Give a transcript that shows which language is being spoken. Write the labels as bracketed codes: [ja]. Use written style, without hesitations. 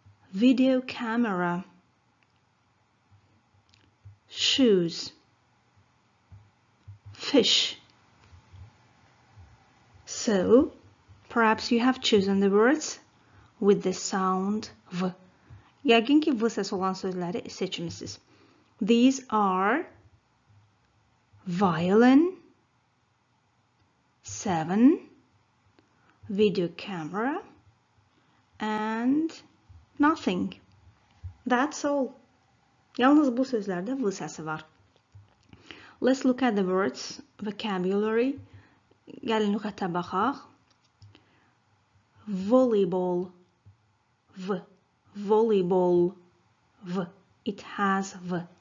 [en] Video camera. Shoes. Fish. So, perhaps you have chosen the words with the sound V. [az] Yəqin ki, V sesi olan sözləri seçmişsiniz. [en] These are violin, seven, video camera, and nothing. That's all. [az] Yalnız bu sözlərdə V sesi var. [en] Let's look at the words, vocabulary. [az] Gəlin lüğətə baxaq. [en] Volleyball. V. Volleyball. V. It has V.